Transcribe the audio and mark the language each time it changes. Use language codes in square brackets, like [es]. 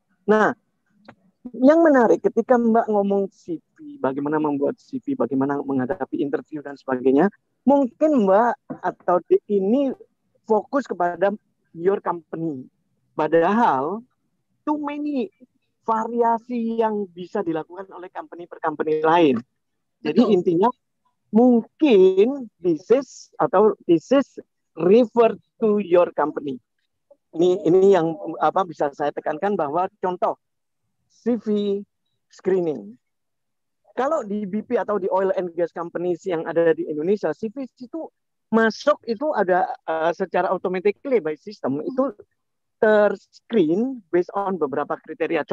[id] Nah, yang menarik ketika Mbak ngomong CV, bagaimana membuat CV, bagaimana menghadapi interview dan sebagainya, mungkin Mbak atau di ini fokus kepada [en] your company. [id] Padahal [en] too many [id] variasi yang bisa dilakukan oleh company per company lain. Jadi intinya mungkin [en] this is refer to your company. [id] Ini yang apa bisa saya tekankan bahwa contoh CV screening. Kalau di BP atau di oil and gas companies yang ada di Indonesia, CV itu masuk itu ada secara [en] automatically by system [id] itu terscreen based on beberapa kriteria.